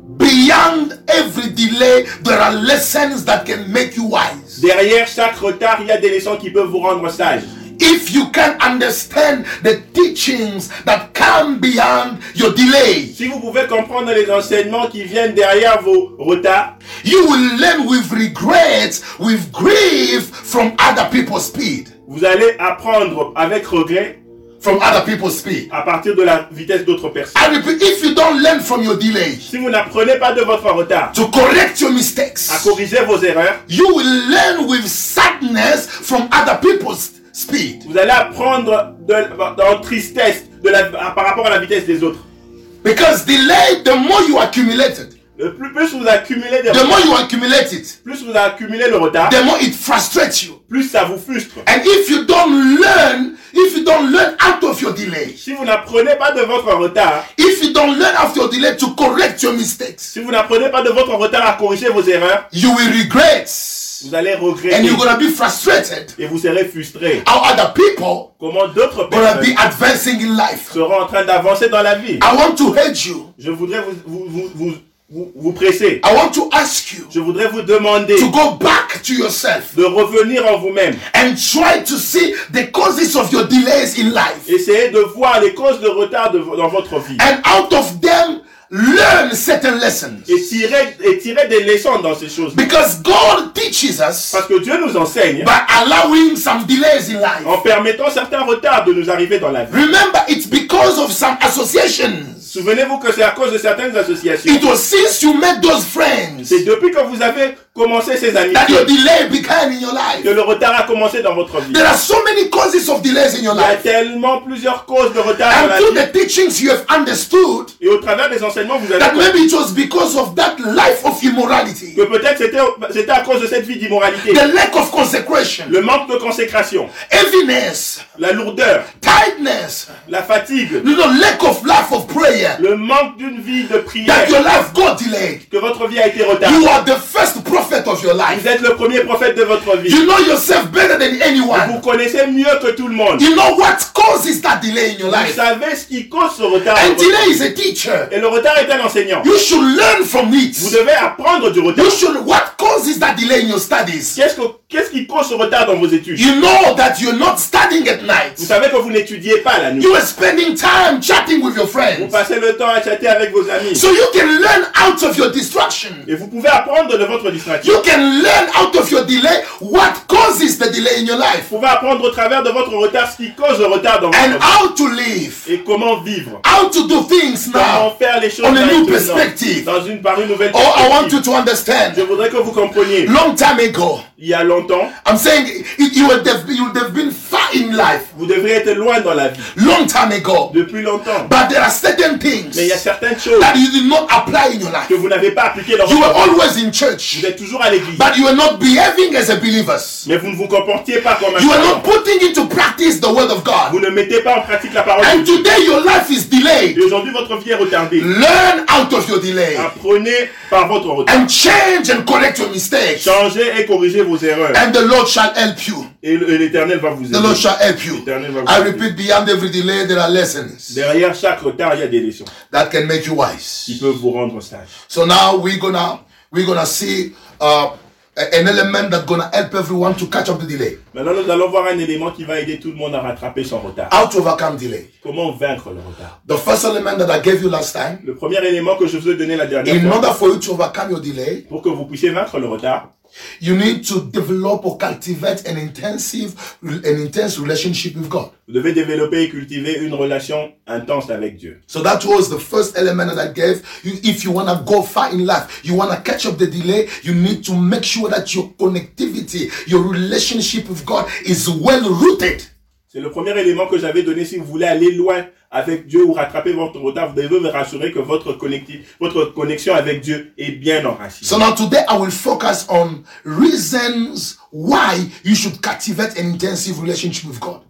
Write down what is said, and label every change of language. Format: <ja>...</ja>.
<en>Beyond every delay, there are lessons that can make you wise.</en> <fr>Derrière chaque retard, il y a des leçons qui peuvent vous rendre sage.</fr> <en>If you can understand the teachings that come beyond your delay,</en> <fr>si vous pouvez comprendre les enseignements qui viennent derrière vos retards,</fr> <en>you will learn with regret, with grief from other people's speed.</en> <fr>Vous allez apprendre avec regret</fr> <en>from other people's speed.</en> <fr>À partir de la vitesse d'autres personnes.</fr> <en>And if you don't learn from your delay,</en> <fr>si vous n'apprenez pas de votre retard,</fr> <en>to correct your mistakes,</en> <fr>à corriger vos erreurs,</fr> <en>you will learn with sadness from other people's speed.</en> <fr>Vous allez apprendre dans tristesse par rapport à la vitesse des autres.</fr> <en>Because delay, the more you accumulate it,</en> <fr>plus vous accumulez</fr> <en>the more you accumulate it,</en> <fr>plus vous accumulez le retard,</fr> <en>the more it frustrates you,</en> <fr>plus ça vous frustre.</fr> <en>And if you don't learn out of your delay,</en> <fr>si vous n'apprenez pas de votre retard,</fr> <en>if you don't learn out of your delay to correct your mistakes,</en> <fr>si vous n'apprenez pas de votre retard à corriger vos erreurs,</fr> <en>you will regret.</en> <fr>Vous allez regretter.</fr> <en>And you're gonna be frustrated.</en> <fr>Et vous serez frustré.</fr> <en>How other people?</en> <fr>Comment d'autres personnes?</fr> <en>Gonna be advancing in life.</en> <fr>Seront en train d'avancer dans la vie.</fr> <en>I want to hate you.</en> <fr>Je voudrais vous presser.</fr> <en>I want to ask you.</en> <fr>Je voudrais vous demander.</fr> <en>To go back to yourself.</en> <fr>De revenir en vous-même.</fr> <en>And try to see the causes of your delays in life.</en> <fr>Essayez de voir les causes de retard dans votre vie.</fr> <en>And out of them. Learn certain lessons.</en> <fr>Et tirer des leçons dans ces choses.</fr> <en>Because God teaches us.</en> <fr>Parce que Dieu nous enseigne.</fr> <en>By allowing some delays in life.</en> <fr>En permettant certains retards de nous arriver dans la vie.</fr> <en>Remember, it's because of some associations.</en> <fr>Souvenez-vous que c'est à cause de certaines associations.</fr> <en>It was since you met those friends.</en> <fr>C'est depuis que vous avez commencé ces amis.</fr> <en>That your delay began in your life.</en> <fr>Que le retard a commencé dans votre vie.</fr> <en>There are so many causes of delays in your life.</en> <fr>Il y a tellement plusieurs causes de retard dans la vie.</fr> <en>And through the teachings you have understood.</en> <fr>Et au travers des enseignements vous avez.</fr> <en>That maybe it was because of that life of immorality.</en> <fr>Que peut-être c'était à cause de cette vie d'immoralité.</fr> <en>The lack of consecration.</en> <fr>Le manque de consécration.</fr> <en>Heaviness.</en> <fr>La lourdeur.</fr> <en>Tiredness.</en> <fr>La fatigue.</fr> <en>The lack of life of prayer.</en> <fr>Le manque d'une vie de prière.</fr> <en>That your life got delayed.</en> <fr>Que votre vie a été retardée.</fr> <en>You are the first prophet of your life.</en> <fr>Vous êtes le premier prophète de votre vie.</fr> <en>You know yourself better than anyone.</en> <fr>Vous connaissez mieux que tout le monde.</fr> <en>You know what causes that delay in your life.</en> <fr>Vous savez ce qui cause ce retard.</fr> <en>And delay is a teacher.</en> <fr>Et le retard est un enseignant.</fr> <en>You should learn from it.</en> <fr>Vous devez apprendre du retard.</fr> <en>You should what causes that delay in your studies.</en> <fr>Qu'est-ce qui cause ce retard dans vos études?</fr> <en>You know that you're not studying at night.</en> <fr>Vous savez que vous n'étudiez pas la nuit.</fr> <en>You are spending time chatting with your friends.</en> <fr>Vous passez le temps à chatter avec vos amis.</fr> <en>So you can learn out of your distraction.</en> <fr>Et vous pouvez apprendre de votre distraction.</fr> <en>You can learn out of your delay what causes the delay in your life.</en> <fr>Vous pouvez apprendre au travers de votre retard ce qui cause le retard dans votre vie.</fr> <en>And how to live.</en> <fr>Et comment vivre.</fr> <en>How to do things now.</en> <fr>Comment faire les choses maintenant.</fr> <en>On a new perspective.</en> <fr>Dans une par une nouvelle perspective.</fr> <en>Oh, I want you to understand.</en> <fr>Je voudrais que vous compreniez.</fr> <en>Long time ago.</en> <fr>Il y a longtemps.</fr> <en>I'm saying you would have been far in life.</en> <fr>Vous devriez être loin dans la vie.</fr> <en>Long time ago.</en> <fr>Depuis longtemps.</fr> <en>But there are certain things.</en> <fr>Mais il y a certaines choses.</fr> <en>That you did not apply in your life.</en> <fr>Que vous n'avez pas appliqué dans votre</fr> <en>You were always in church.</en> <fr>Vous êtes toujours à l'église.</fr> <en>But you were not behaving as a believer.</en> <fr>Mais vous ne vous comportiez pas comme un croyant.</fr> <en>You were not putting into practice the word of God.</en> <fr>Vous ne mettez pas en pratique la parole.</fr> <en>And today your life is delayed.</en> <fr>Et aujourd'hui votre vie est retardée.</fr> <en>Learn out of your delay.</en> <fr>Apprenez par votre retard.</fr> <en>And change and correct your mistakes.</en> <fr>Changez et corrigez vos erreurs.</fr> <en>And the Lord shall help you.</en> <fr>Et l'Éternel va vous aider.</fr> <en>The Lord shall help you.</en> <fr>L'Éternel va vous aider.</fr> <en>I repeat, beyond every delay, there are lessons.</en> <fr>Derrière chaque retard, il y a des leçons.</fr> <en>That can make you wise.</en> <fr>Qui peuvent vous rendre sage.</fr> <en>So now we're gonna see an element that's going to help everyone to catch up the delay.</en> <fr>Maintenant, nous allons voir un élément qui va aider tout le monde à rattraper son retard.</fr> <en>How to overcome delay?</en> <fr>Comment vaincre le retard?</fr> <en>The first element that I gave you last time.</en> <fr>Le premier élément que je vous ai donné la dernière</fr> <en>in</en> <fr>fois.</fr> <en>In order for you to overcome your delay.</en> <fr>Pour que vous puissiez vaincre le retard.</fr> <en>You need to develop or cultivate an intense relationship with God.</en> <fr>Vous devez développer et cultiver une relation intense avec Dieu.</fr> <en>So that was the first element that I gave. If you want to go far in life, you want to catch up the delay, you need to make sure that your connectivity, your relationship with God is well rooted.</en> <fr>C'est le premier élément que j'avais donné. Si vous voulez aller loin avec Dieu ou rattraper votre retard, vous devez vous rassurer que votre connexion avec Dieu est bien enracinée.</fr> <en>So now today I will focus on reasons why you should cultivate an intensive relationship with God.</en>